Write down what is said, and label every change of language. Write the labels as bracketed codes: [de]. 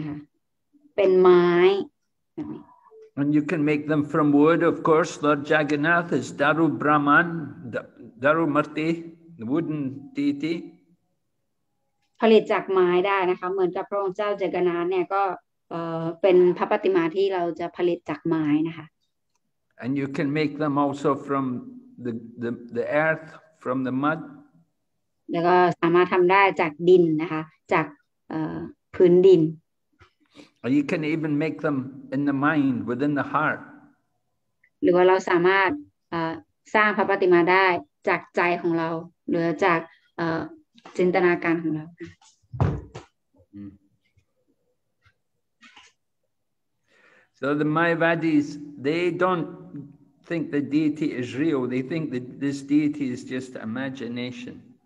[th] พระปฏิมานะคะเราสามารถทำได้จากหลายอย่างไม่ว่าจะเป็นดินนะคะเป็นเหล็กนะคะเป็นไม้ [en] And you can make them from wood, of course. Lord Jagannath is Daru Brahman, Daru Murti, the wooden deity. [th] ผลิตจากไม้ได้นะคะเหมือนกับพระองค์เจ้าจักรนาถเนี่ยก็ เป็นพระปฏิมาที่เราจะผลิตจากไม้นะคะ [en] And you can make them also from the earth, from the mud. [th] แล้วก็สามารถทำได้จากดินนะคะจากพื้นดิน [en] Or you can even make them in the mind, within the heart. [th] หรือว่าเราสามารถสร้างพระปฏิมาได้จากใจของเราหรือจากจินตนาการของเรา [en] So the Mayavadis, they don't think the deity is real. They think that this deity is just imagination.